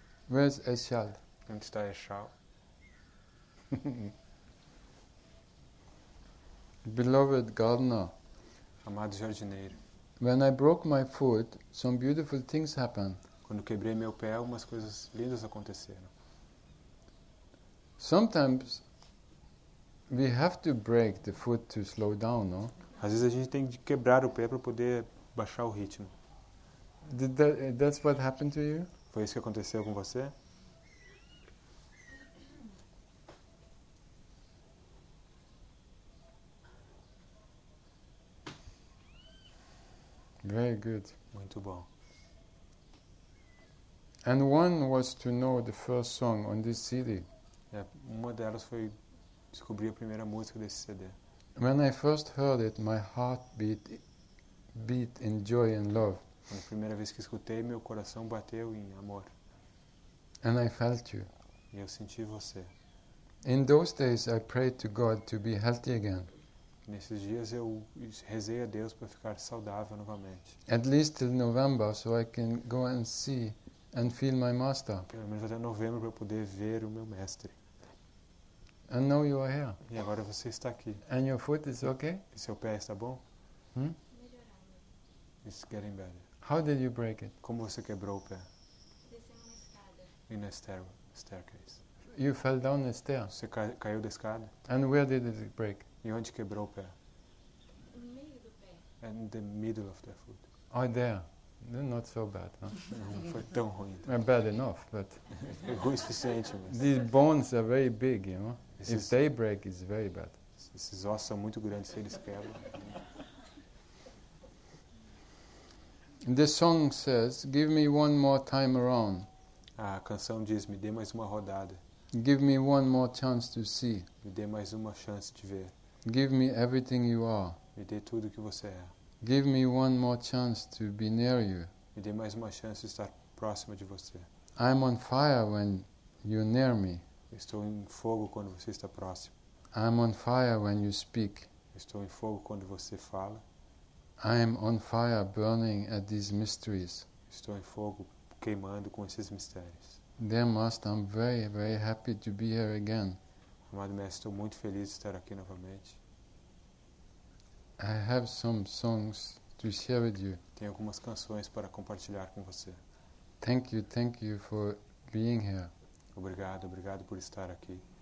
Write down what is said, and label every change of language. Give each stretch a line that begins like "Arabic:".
English: Where's Eshal?
Portuguese: Onde está Eshal?
English: Beloved gardener,
Portuguese: amado jardineiro,
English: when I broke my foot, some beautiful things happened.
Portuguese: Quando quebrei meu pé, umas coisas lindas aconteceram.
English: Sometimes we have to break the foot to slow down, no?
Portuguese: Às vezes a gente tem que quebrar o pé para poder baixar o ritmo.
English: That's what happened to you?
Portuguese: Foi isso que aconteceu com você?
English: Very good.
Portuguese: Muito bom.
English: And one was to know the first song on this CD.
Portuguese: Uma delas foi descobrir a primeira música desse CD.
English: When I first heard it, my heart beat in joy and love.
Portuguese: A primeira vez que escutei, meu coração bateu em amor.
English: And I felt you.
Portuguese: E eu senti você.
English: In those days, I prayed to God to be healthy again.
Portuguese: Nesses dias eu rezei a Deus para ficar saudável novamente.
English: At least till November, so I can go and see and feel my master.
Portuguese: Pelo menos até novembro para poder ver o meu mestre.
English: And now you are here.
Portuguese: E agora você está aqui.
English: And your foot is okay?
Portuguese: E seu pé está bom? Melhorando.
English: It's getting better. How did you break it?
Portuguese: Como você quebrou o pé? Descendo uma escada.
English: In a staircase. You fell down the stair.
Portuguese: Você caiu da escada.
English: And where did it break?
Portuguese: E onde quebrou o pé? No meio do pé.
English: In the middle of the foot. Oh, there. Not so bad, huh?
Portuguese: Não foi tão ruim. Então.
English: Bad enough, but...
Portuguese: Ruim o suficiente, mas...
English: These bones are very big, you know?
Portuguese: Esses,
English: if they break, it's very bad.
Portuguese: Esses ossos são muito grandes, se eles quebram.
English: The song says, give me one more time around.
Portuguese: A canção diz, me dê mais uma rodada.
English: Give me one more chance to see.
Portuguese: Me dê mais uma chance de ver.
English: Give me everything you are.
Portuguese: Me dê tudo que você é.
English: Give me one more chance to be near you.
Portuguese: Me dê mais uma chance de estar próximo de você.
English: I'm on fire when you're near me.
Portuguese: Estou em fogo quando você está próximo.
English: I'm on fire when you speak.
Portuguese: Estou em fogo quando você fala.
English: I'm on fire burning at these mysteries.
Portuguese: Estou em fogo queimando com esses mistérios.
English: Dear Master, I'm very, very happy to be here again.
Portuguese: Amado mestre, estou muito feliz de estar aqui novamente.
English: I have some songs to share with you.
Portuguese: Tenho algumas canções para compartilhar com você.
English: Thank you for being here.
Portuguese: Obrigado, obrigado por estar aqui.